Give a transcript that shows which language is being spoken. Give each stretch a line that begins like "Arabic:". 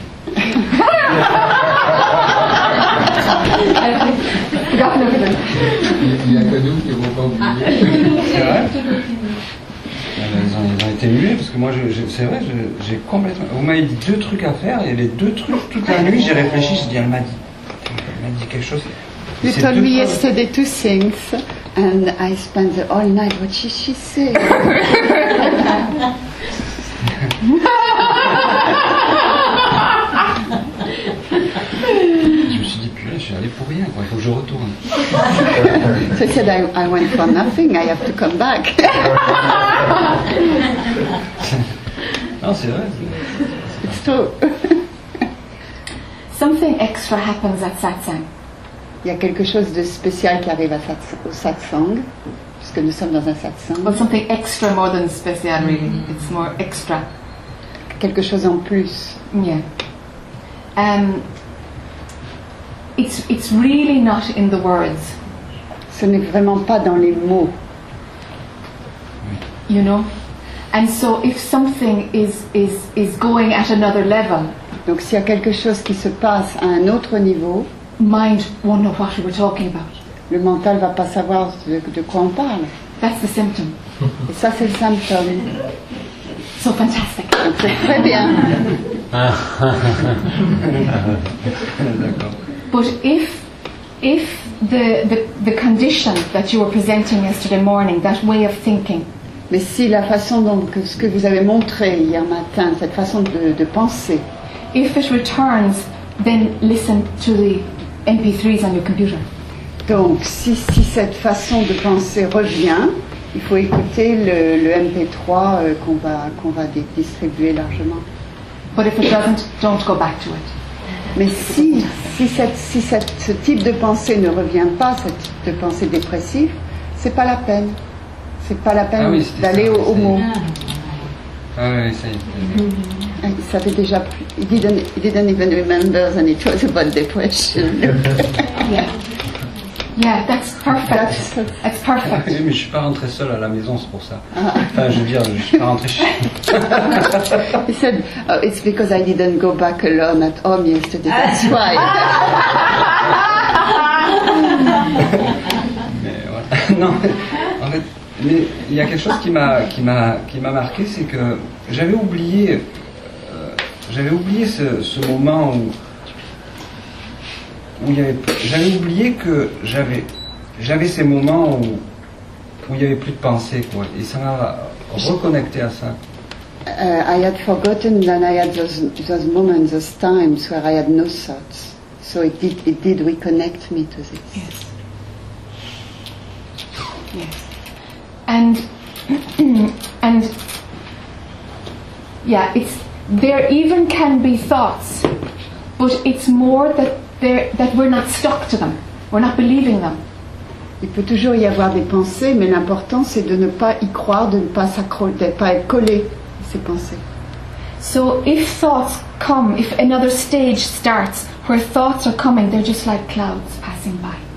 French: Il y a que nous qui ne vont pas oublier. C'est vrai? Ils ont été mûrés parce que moi, c'est vrai, j'ai complètement. Vous m'avez dit deux trucs à faire et les deux trucs, toute la nuit, j'ai réfléchi, j'ai dit, elle m'a dit quelque chose.
English: You told me yesterday two things. And I spent the whole night, what did she say?
French: Je me suis dit, putain, je suis allée pour rien, quoi. Il faut que je retourne.
English: She said, I went for nothing, I have to come back.
French: Non, c'est vrai.
English: It's true. Something extra happens at satsang.
French: Il y a quelque chose de spécial qui arrive à au satsang, puisque nous sommes dans un satsang.
English: Well, something extra more than special, really. Mm-hmm. It's more extra.
French: Quelque chose en plus.
English: Yeah. It's really not in the words.
French: Ce n'est vraiment pas dans les mots.
English: You know? And so if something is going at another level.
French: Donc s'il y a quelque chose qui se passe à un autre niveau.
English: Mind won't know what we're talking about.
French: Le mental va pas savoir de quoi on parle.
English: That's the symptom.
French: Et ça c'est le symptôme.
English: So fantastic.
French: Donc, c'est très bien.
English: But if the condition that you were presenting yesterday morning, that way of thinking.
French: Mais si la façon dont ce que vous avez montré hier matin, cette façon de penser.
English: If it returns, then listen to the MP3s on your computer.
French: Donc, si cette façon de penser revient, il faut écouter le MP3 qu'on va distribuer largement.
English: But if it doesn't, don't go back to it.
French: Mais si ce type de pensée ne revient pas, ce type de pensée dépressive, c'est pas la peine. C'est pas la peine d'aller au mot. Ah oui, ça y est. Ça fait déjà plus.
English: He didn't even remember that it was about depression. Yeah, that's perfect. That's perfect.
French: Mais je ne suis pas rentré seul à la maison, c'est pour ça. Ah. Enfin, je veux dire, je ne suis pas rentré chez.
English: He said, oh, it's because I didn't go back alone at home yesterday. That's why.
French: Mais voilà. Non. En fait, mais il y a quelque chose qui m'a marqué, c'est que j'avais oublié ce moment où il y avait, j'avais oublié que j'avais ces moments où il y avait plus de pensée, quoi, et ça m'a reconnecté à ça.
English: I had forgotten that I had those moments, those times where I had no thoughts, so it did reconnect me to this. Yes. Yes. And yeah, it's there. Even can be thoughts, but it's more that we're not stuck to them. We're not believing them.
French: Il peut toujours y avoir des pensées, mais l'important c'est de ne pas y croire, de ne pas s'accrocher, de pas être collé à ces pensées.
English: So if thoughts come, if another stage starts where thoughts are coming, they're just like clouds passing by.